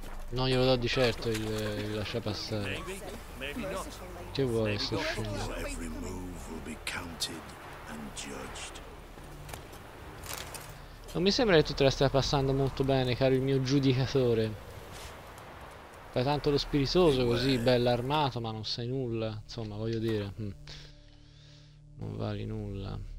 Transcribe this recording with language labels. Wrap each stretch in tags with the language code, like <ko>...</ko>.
<it>No, glielo do di certo il lascia passare. Che vuole sto scemo?</it> <en>Every move will be counted and judged.</en> <it>Non mi sembra che tu te la stia passando molto bene, caro il mio giudicatore. Fai tanto lo spiritoso così, bello armato, ma non sai nulla. Insomma, voglio dire, non vali nulla.</it>